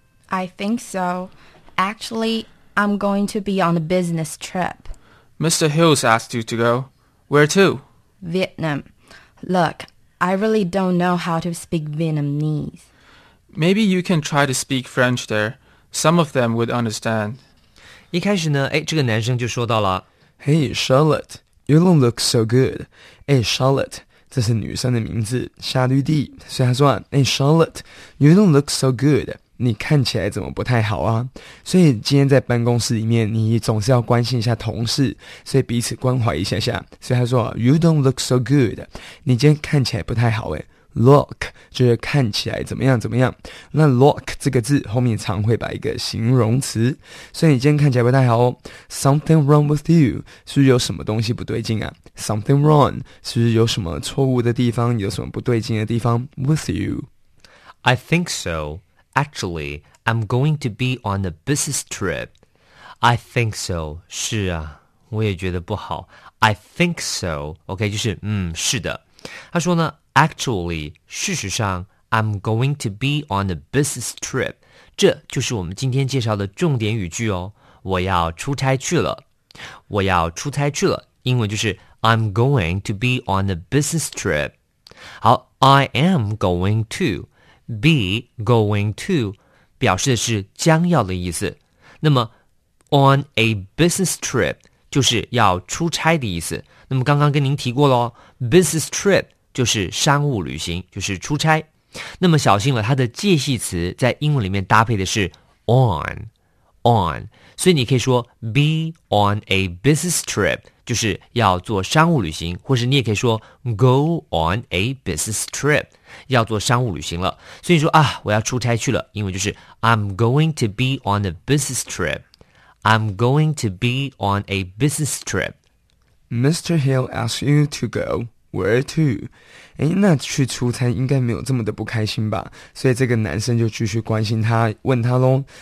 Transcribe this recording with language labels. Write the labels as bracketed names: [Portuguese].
[English] I think so. Actually. I'm going to be on a business trip. Mr. Hills asked you to go. Where to? Vietnam. Look, I really don't know how to speak Vietnamese. Maybe you can try to speak French there. Some of them would understand. [Chinese] 一开始呢，哎，这个男生就说到了。 [English] Hey, Charlotte, you don't look so good. Hey, Charlotte, [Chinese] 这是女生的名字，夏绿蒂。所以他说，哎，Charlotte, [English] you don't look so good. [Chinese] 你看起来怎么不太好啊？所以今天在办公室里面，你总是要关心一下同事，所以彼此关怀一下下。所以他说 ， [English] You don't look so good. [Chinese] 你今天看起来不太好诶。Look 就是看起来怎么样怎么样。那 look 这个字后面常会摆一个形容词，所以你今天看起来不太好哦。 [English] Something wrong with you [Chinese] 是不是有什么东西不对劲啊 ？ [English] Something wrong [Chinese] 是不是有什么错误的地方，有什么不对劲的地方 ？ [English] With you, I think so. Actually, I'm going to be on a business trip. I think so. [Chinese] 是啊，我也觉得不好。 [English] I think so. OK, [Chinese] 就是是的。他说呢 [English] ,actually, [Chinese] 事实上 [English] ,I'm going to be on a business trip. [Chinese] 这就是我们今天介绍的重点语句哦。我要出差去了。我要出差去了。英文就是 [English] I'm going to be on a business trip. [Chinese] 好 , [English] I am going to. [Chinese] Be going to 表示的是将要的意思。那么 on a business trip 就是要出差的意思。那么刚刚跟您提过咯 business trip 就是商务旅行，就是出差。那么小心了，它的介系词在英文里面搭配的是 on， 所以你可以说 [English] be on a business trip [Chinese] 就是要做商务旅行，或是你也可以说 [English] go on a business trip。 [Chinese] 要做商务旅行了，所以说啊，我要出差去了，英文就是 [English] I'm going to be on a business trip. I'm going to be on a business trip. Mr. Hill asked you to go. Where to? [Chinese] 诶，那去出差应该没有这么的不开心吧？所以这个男生就继续关心他，问他咯。